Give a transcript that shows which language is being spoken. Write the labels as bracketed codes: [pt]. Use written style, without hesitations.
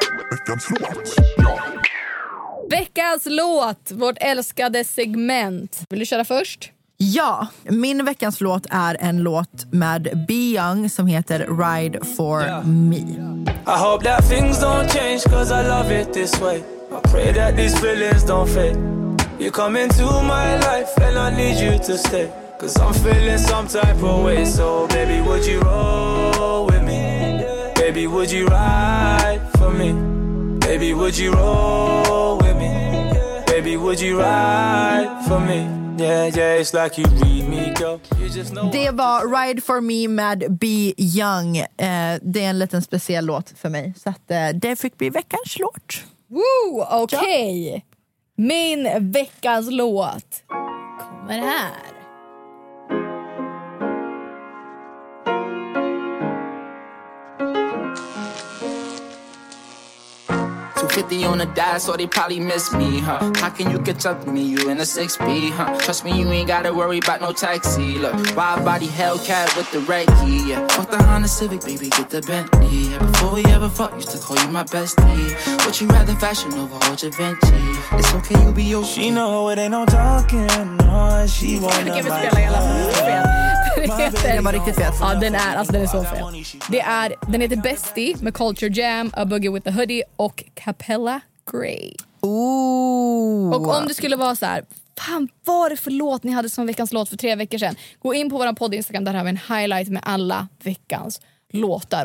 [sv] Veckans låt. Veckans låt, vårt älskade segment. Vill du köra först? Ja, min veckans låt är en låt med Beyoncé som heter Ride for Me. [en] I hope that things don't change, 'cause I love it this way. I pray that these feelings don't fade. You come into my life and I need you to stay. 'Cause I'm feeling some type of way. So baby, would you roll with me? Baby, would you ride for me? Baby, would you roll with me? Baby, would you ride for me? Yeah, it's like you read me, girl. You just know. [sv] Det var Ride for Me med Beyoncé. Det är en liten speciell låt för mig. Så att det fick bli veckans låt. Woo, okej. Okay. Ja. Min veckans låt kommer här. [en] Tell 250 on the dash, so they probably miss me, huh? How can you catch up to me? You in a 6B, huh? Trust me, you ain't gotta worry about no taxi. Look, wide body Hellcat with the red key, yeah. Fuck the Honda Civic, baby, get the Bentley, yeah. Before we ever fuck, used to call you my bestie. Would you rather fashion over old Givenchy? It's okay, you be your. She know it ain't no talking, no. She wanna give it to you, like, [sv] den var riktigt fet. Ja, den är, alltså den är så fet. Det är, den heter Bestie med Culture Jam, A Boogie with a Hoodie och Capella Grey. Ooh. Och om det skulle vara så här, fan, vad det för låt ni hade som veckans låt för 3 veckor sedan, gå in på våran podd Instagram, där har vi en highlight med alla veckans låtar.